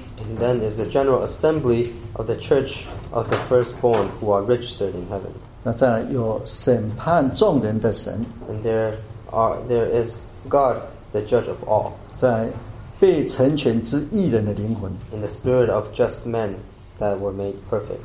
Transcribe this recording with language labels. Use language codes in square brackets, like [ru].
[en] And then there's the general assembly of the church of the firstborn who are registered in heaven. [zh] 那再来有审判众人的神。 [en] And there is God, the judge of all. [zh] 在被成全之义人的灵魂。 [en] In the spirit of just men that were made perfect.